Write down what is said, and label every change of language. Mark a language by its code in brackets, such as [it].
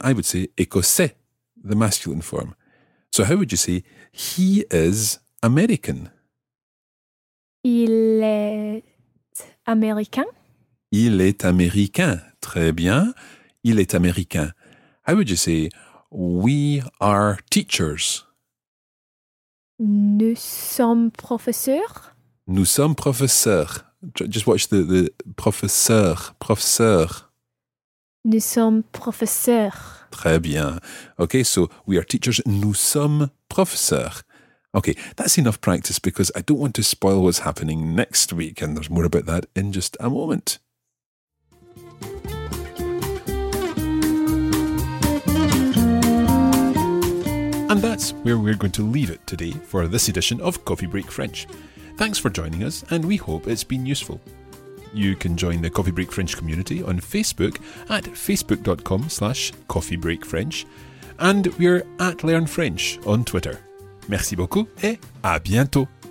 [en] I would say écossais, the masculine form. So how would you say, he is American? [fr] Il est américain. Il est américain. Très bien. Il est américain. [en] How would you say, we are teachers? [fr] Nous sommes professeurs. Nous sommes professeurs. [en] Just watch the professeur. Professeur. [fr] Nous sommes professeurs. Très bien. [en] Okay, so we are teachers. [fr] Nous sommes professeurs. [en] Okay, that's enough practice because I don't want to spoil what's happening next week, and there's more about that in just a moment. And that's where we're going to leave it today for this edition of Coffee Break French. Thanks for joining us, and we hope it's been useful. You can join the Coffee Break French community on Facebook at facebook.com/coffeebreakfrench, and we're at Learn French on Twitter. [fr] Merci beaucoup et à bientôt.